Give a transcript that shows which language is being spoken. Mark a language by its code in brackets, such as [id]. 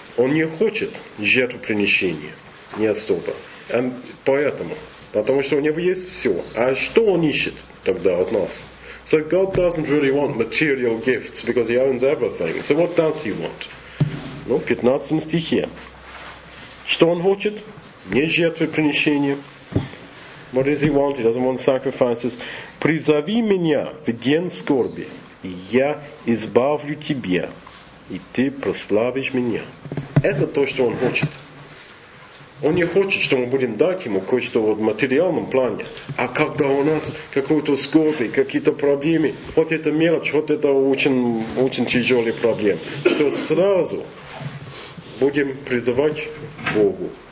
[ru] Он не хочет жертвоприношения. Не особо. Поэтому. Потому что у него есть все. А что он ищет тогда от нас? [en] So God doesn't really want material gifts, because he owns everything. So what does he want? [ru] Ну, в 15 стихе. Что он хочет? Не жертвоприношения. [en] What does he want? He doesn't want sacrifices. [ru] Призови меня в день скорби, и я избавлю тебя, и ты прославишь меня. Это то, что он хочет. Он не хочет, что мы будем дать ему кое-что в материальном плане. А когда у нас какую-то скорбь, какие-то проблемы, вот это мелочь, вот это очень, очень тяжелый проблем, то сразу будем призывать Богу.